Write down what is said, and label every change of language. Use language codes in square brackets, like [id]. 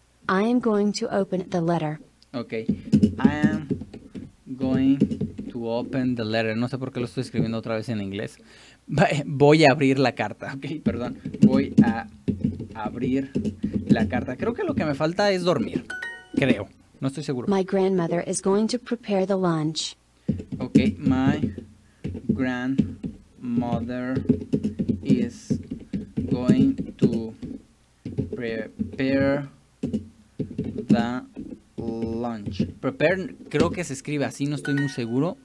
[en] I am going to open the letter. Ok. I am going to open the letter. [es] No sé por qué lo estoy escribiendo otra vez en inglés. Voy a abrir la carta. Ok, perdón. Voy a abrir la carta. Creo que lo que me falta es dormir. Creo. No estoy seguro. [en] My grandmother is going to prepare the lunch. Ok. My grandmother is going to prepare the lunch. [es] Prepare, creo que se escribe así, no estoy muy seguro.